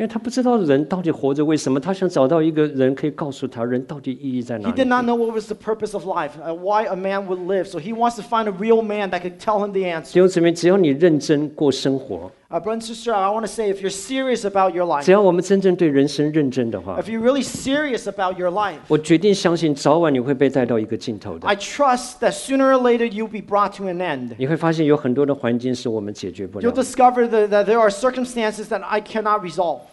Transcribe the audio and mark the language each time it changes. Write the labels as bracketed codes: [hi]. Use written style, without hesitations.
[zh] 因为他不知道人到底活着为什么，他想找到一个人可以告诉他人到底意义在哪里。 [en] He did not know what was the purpose of life, why a man would live. So he wants to find a real man that could tell him the answer. [zh] 弟兄姊妹，只要你认真过生活。 [en] Brother and sister, I want to say if you're serious about your life, [zh] 只要我们真正对人生认真的话 [en] if you're really serious about your life, [zh] 我决定相信早晚你会被带到一个尽头的 [en] I trust that sooner or later you'll be brought to an end. [zh] 你会发现有很多的环境是我们解决不了的 [en] You'll discover that there are circumstances that I cannot resolve.